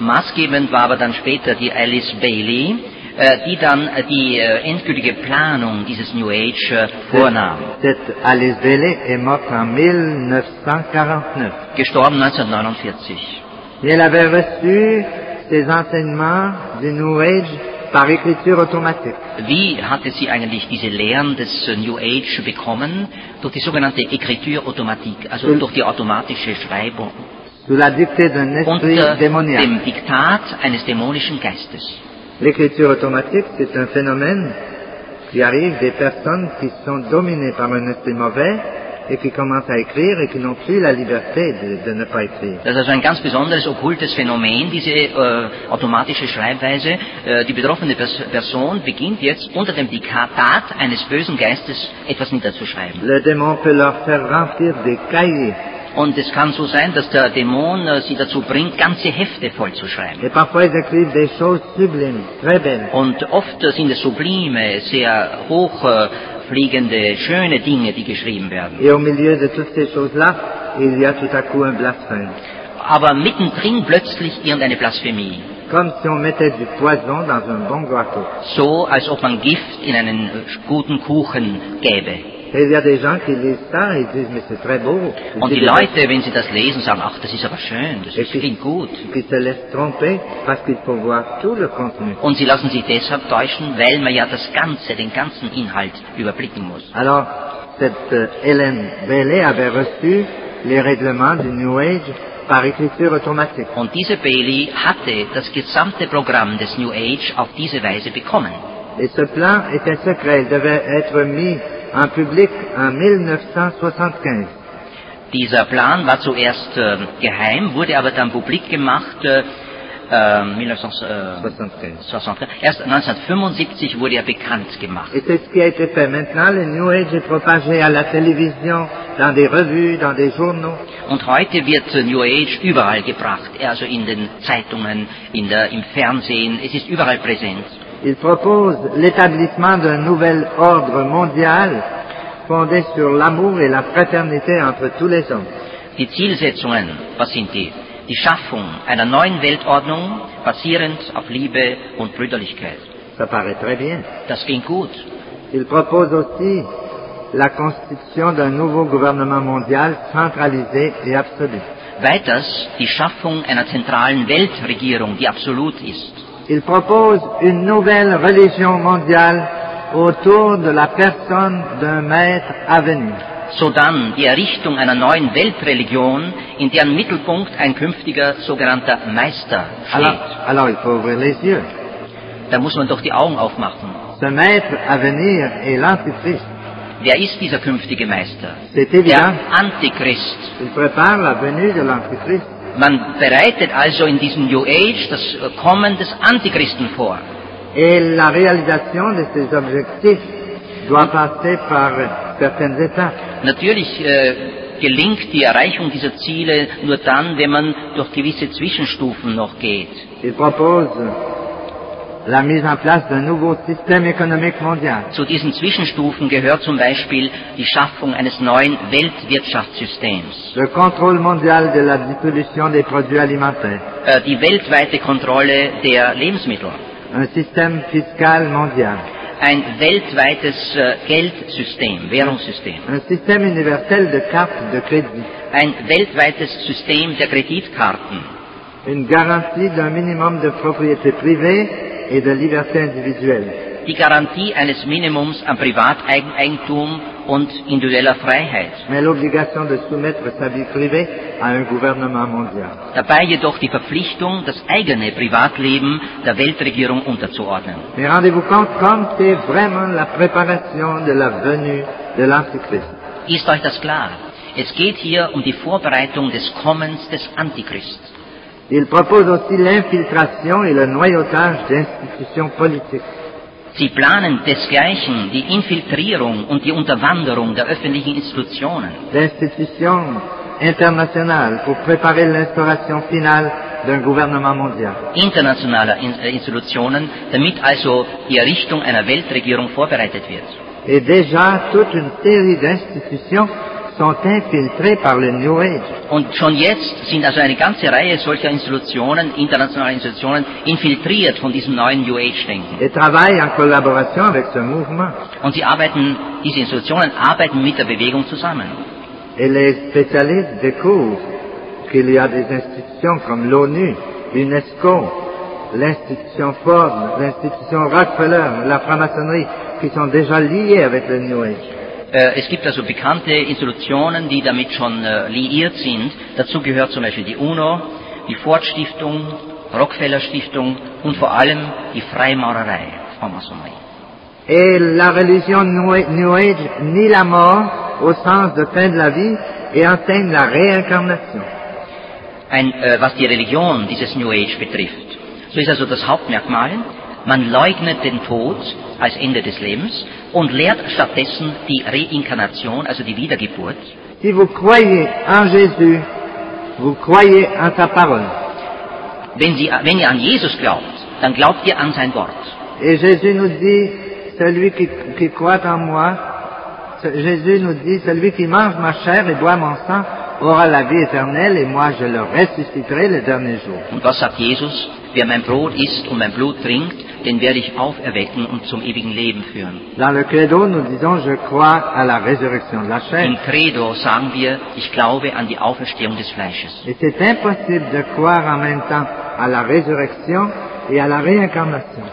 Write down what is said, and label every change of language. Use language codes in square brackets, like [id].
[de] Maßgebend war aber dann später die Alice Bailey, die dann die endgültige Planung dieses New Age vornahm. [fr] Cette Alice Bailey est morte en 1949. [de] Gestorben 1949. [fr] Elle avait reçu ses enseignements du New Age par écriture automatique. [de] Wie hatte sie eigentlich diese Lehren des New Age bekommen? Durch die sogenannte écriture automatique, also durch die automatische Schreibung. [fr] Sous la dictée d'un esprit démoniaque. [de] Unter dem Diktat eines dämonischen Geistes. [fr] L'écriture automatique, c'est un phénomène qui arrive des personnes qui sont dominées par un esprit mauvais et qui commencent à écrire et qui n'ont plus la liberté de ne pas écrire. [de] Das ist also ein ganz besonderes okkultes Phänomen, diese automatische Schreibweise. Die betroffene Person beginnt jetzt unter dem Diktat eines bösen Geistes etwas niederzuschreiben. [fr] Le démon peut leur faire remplir des cahiers. [de] Und es kann so sein, dass der Dämon sie dazu bringt, ganze Hefte vollzuschreiben. [fr] Et parfois ils écrivent des choses sublimes, très belles. [de] Und oft sind es sublime, sehr hochfliegende, schöne Dinge, die geschrieben werden. [fr] Et au milieu de toutes ces choses-là, il y a tout à coup un blasphème. [de] Aber mittendrin plötzlich irgendeine Blasphemie. [fr] Comme si on mettait du poison dans un bon gâteau. [de] So, als ob man Gift in einen guten Kuchen gäbe. [fr] Et il y a des gens qui lisent ça et disent, mais c'est très beau. Ils [de] und die Leute, wenn sie das lesen, sagen, ach, das ist aber schön, das klingt gut. [fr] Et puis, se laissent tromper parce qu'il faut voir tout le contenu. [de] Und sie lassen sich deshalb täuschen, weil man ja das Ganze, den ganzen Inhalt überblicken muss. [fr] Alors, cette Hélène Bellé avait reçu les règlements du New Age par écriture automatique. [de] Und diese Bailey hatte das gesamte Programm des New Age auf diese Weise bekommen. [fr] Et ce plan était secret, il devait être mis en public en 1975. [de] Dieser Plan war zuerst geheim, wurde aber dann publik gemacht 1975 wurde er bekannt gemacht. [fr] Et c'est ce qui a été fait. Maintenant, le New Age est propagé à la télévision, dans des revues, dans des journaux. [de] Und heute wird New Age überall gebracht, also in den Zeitungen, im Fernsehen, es ist überall präsent. [fr] Il propose l'établissement d'un nouvel ordre mondial fondé sur l'amour et la fraternité entre tous les hommes. [de] Die Zielsetzungen, was sind die? Die Schaffung einer neuen Weltordnung basierend auf Liebe und Brüderlichkeit. [fr] Ça paraît très bien. [de] Das klingt gut. [fr] Il propose aussi la constitution d'un nouveau gouvernement mondial centralisé et absolu. [de] Weiters die Schaffung einer zentralen Weltregierung, die absolut ist. [fr] Il propose une nouvelle religion mondiale autour de la personne d'un maître à venir. [de] Sodann die Errichtung einer neuen Weltreligion, in deren Mittelpunkt ein künftiger sogenannter Meister steht. [fr] Alors, il faut ouvrir les yeux. [de] Da muss man doch die Augen aufmachen. [fr] Ce maître à venir est l'Antichrist. [de] Wer ist dieser künftige Meister? [fr] C'est évident. [de] Der Antichrist. [fr] Il prépare la venue de l'Antichrist. [de] Man bereitet also in diesem New Age das Kommen des Antichristen vor. [fr] Et la réalisation de ces objectifs doit passer par certaines étapes. [de] Natürlich gelingt die Erreichung dieser Ziele nur dann, wenn man durch gewisse Zwischenstufen noch geht. [fr] Il propose la mise en place d'un nouveau système économique mondial. [de] Zu diesen Zwischenstufen gehört zum Beispiel die Schaffung eines neuen Weltwirtschaftssystems. [fr] Le contrôle mondial de la distribution des produits alimentaires. [de] Die weltweite Kontrolle der Lebensmittel. [fr] Un système fiscal mondial. [de] Ein weltweites Geldsystem, Währungssystem. [fr] Un système universel de cartes de crédit. [de] Ein weltweites System der Kreditkarten. [fr] Une garantie d'un minimum de propriété privée. Et de liberté individuelle. [de] Die Garantie eines Minimums an Privateigentum und individueller Freiheit. [fr] Mais l'obligation de soumettre sa vie privée à un gouvernement mondial. [de] Dabei jedoch die Verpflichtung, das eigene Privatleben der Weltregierung unterzuordnen. [fr] Mais rendez-vous compte, comme c'est vraiment la préparation de la venue de l'Antichrist. [de] Ist euch das klar? Es geht hier um die Vorbereitung des Kommens des Antichrist. [fr] Il propose aussi l'infiltration et le noyautage d'institutions politiques. [de] Sie planen desgleichen die Infiltrierung und die Unterwanderung der öffentlichen Institutionen. [fr] D'institutions internationales pour préparer l'instauration finale d'un gouvernement mondial. [de] Internationale Institutionen, damit also die Errichtung einer Weltregierung vorbereitet wird. [fr] Et déjà toute une série d'institutions sont infiltrés par le New Age. [de] Und schon jetzt sind also eine ganze Reihe solcher Institutionen, internationaler Institutionen, infiltriert von diesem neuen New Age-Denken. [fr] Et travaillent en collaboration avec ce mouvement. [de] Und sie arbeiten, diese Institutionen arbeiten mit der Bewegung zusammen. [fr] Et les spécialistes découvrent qu'il y a des institutions comme l'ONU, l'UNESCO, l'institution Ford, l'institution Rockefeller, la franc-maçonnerie, qui sont déjà liés avec le New Age. [de] Es gibt also bekannte Institutionen, die damit schon liiert sind. Dazu gehört zum Beispiel die UNO, die Ford-Stiftung, Rockefeller-Stiftung und vor allem die Freimaurerei, Franc-Maçonnerie. [fr] Et la religion New Age nie la mort au sens de fin de la vie et enseigne la réincarnation. [de] Was die Religion dieses New Age betrifft, so ist also das Hauptmerkmal, man leugnet den Tod als Ende des Lebens und lehrt stattdessen die Reinkarnation, also die Wiedergeburt. [fr] Si vous croyez en Jésus, vous croyez en sa parole. [de] Wenn ihr an Jesus glaubt, dann glaubt ihr an sein Wort. [fr] Et Jésus nous dit, celui qui croit en moi, Jésus nous dit, celui qui mange ma chair et boit mon sang aura la vie éternelle et moi je le ressusciterai le dernier jour. [de] Und was sagt Jesus? Wer mein Brot isst und mein Blut trinkt, den werde ich auferwecken und zum ewigen Leben führen. [fr] Dans le credo, nous disons, je crois à la résurrection de la chair. [de] Im Credo sagen wir, ich glaube an die Auferstehung des Fleisches. [fr] Et c'est impossible de croire en même temps à la résurrection et à la réincarnation.